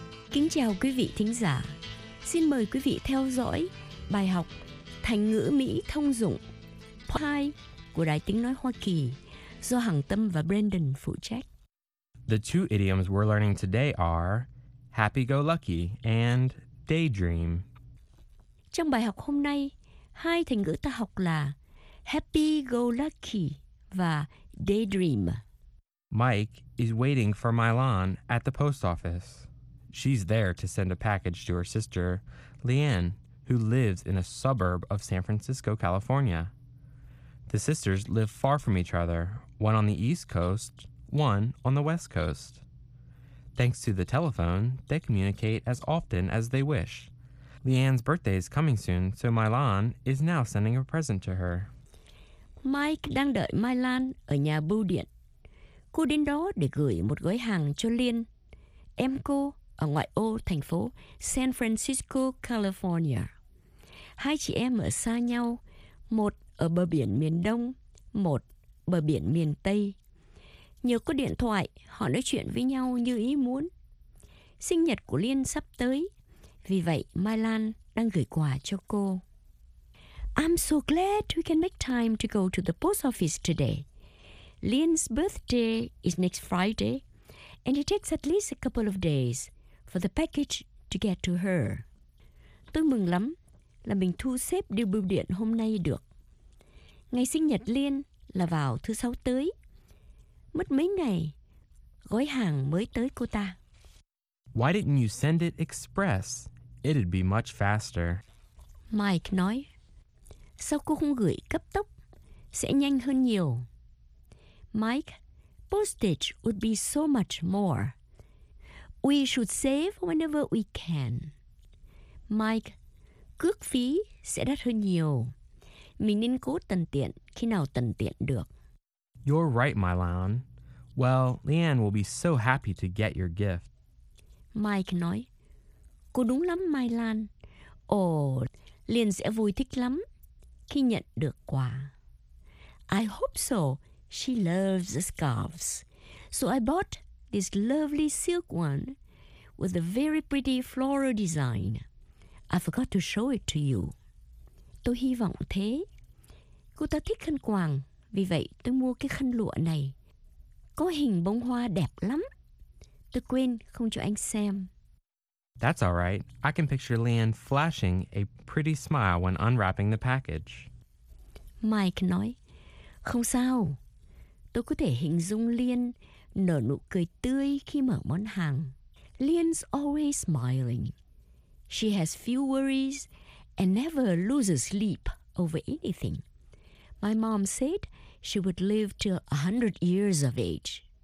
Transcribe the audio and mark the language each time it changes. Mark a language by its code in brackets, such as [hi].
[vi] Kính chào quý vị thính giả. Xin mời quý vị theo dõi bài học Thành ngữ Mỹ thông dụng Part 2 của Đài Tiếng Nói Hoa Kỳ do Hằng Tâm và Brandon phụ trách. [en] The two idioms we're learning today are happy-go-lucky and daydream. [vi] Trong bài học hôm nay, hai thành ngữ ta học là happy-go-lucky và daydream. [en] Mike is waiting for Mylon at the post office. She's there to send a package to her sister, Leanne, who lives in a suburb of San Francisco, California. The sisters live far from each other, one on the East Coast, one on the West Coast. Thanks to the telephone, they communicate as often as they wish. Leanne's birthday is coming soon, so Mylon is now sending a present to her. [vi] Mike đang đợi Mylon ở nhà bưu điện. Cô đến đó để gửi một gói hàng cho Liên, em cô ở ngoại ô thành phố San Francisco, California. Hai chị em ở xa nhau, một ở bờ biển miền Đông, một bờ biển miền Tây. Nhờ có điện thoại, họ nói chuyện với nhau như ý muốn. Sinh nhật của Liên sắp tới, vì vậy Mylon đang gửi quà cho cô. [en] I'm so glad we can make time to go to the post office today. Liên's birthday is next Friday, and it takes at least a couple of days for the package to get to her. [vi] Tôi mừng lắm là mình thu xếp điều bưu điện hôm nay được. Ngày sinh nhật Liên là vào thứ sáu tới. Mất mấy ngày, gói hàng mới tới cô ta. [en] Why didn't you send it express? It'd be much faster. [vi] Mike nói, sao cô không gửi cấp tốc? Sẽ nhanh hơn nhiều. [en] Mike, postage would be so much more. We should save whenever we can. Mike, [vi] cước phí sẽ đắt hơn nhiều. Mình nên cố tận tiện khi nào tận tiện được. [en] You're right, Mylon. Well, Leanne will be so happy to get your gift. [vi] Mike nói, cô đúng lắm, Mylon. Ồ, Leanne sẽ vui thích lắm khi nhận được quà. [en] I hope so. She loves the scarves. So I bought this lovely silk one with a very pretty floral design. I forgot to show it to you. [vi] Tôi hy vọng thế. Cô ta thích khăn quàng, vì vậy tôi mua cái khăn lụa này. Có hình bông hoa đẹp lắm. Tôi quên không cho anh xem. [en] That's all right. I can picture Leanne flashing a pretty smile when unwrapping the package. [vi] Mike nói, không sao. Tôi có thể hình dung Liên nở nụ cười tươi khi mở món hàng. [en] Liên's always smiling. She has few worries and never loses sleep over anything. My mom said she would live to 100 years of age.